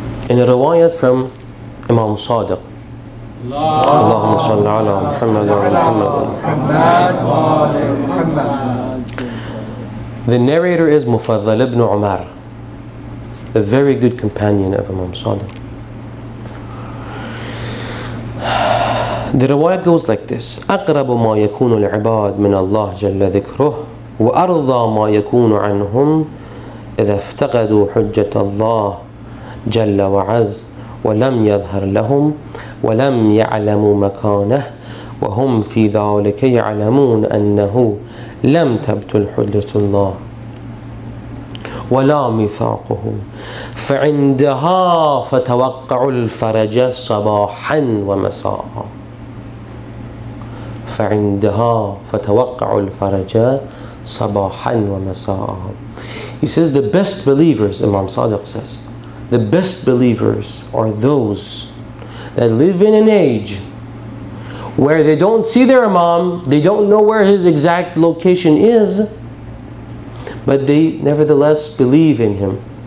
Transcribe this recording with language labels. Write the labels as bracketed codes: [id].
[en] In a riwayat from Imam Sadiq, [ar] Allahumma salli ala Muhammad [en] wa ala Muhammad. The narrator is Mufaddal ibn Umar, a very good companion of Imam Sadiq. The riwayat goes like this: [ar] أقرب ما يكون العباد من الله جل ذكره وأرضى ما يكون عنهم إذا افتقدوا حجة الله جل وعز ولم يظهر لهم ولم يعلموا مكانه وهم في ذلك يعلمون أنه لم تبطل حجة الله ولا ميثاقه فعندها فتوقع الفرج صباحا ومساء فعندها فتوقع الفرج صباحا ومساء. [en] He says the best believers, Imam Sadiq says, the best believers are those that live in an age where they don't see their imam, they don't know where his exact location is, but they nevertheless believe in him.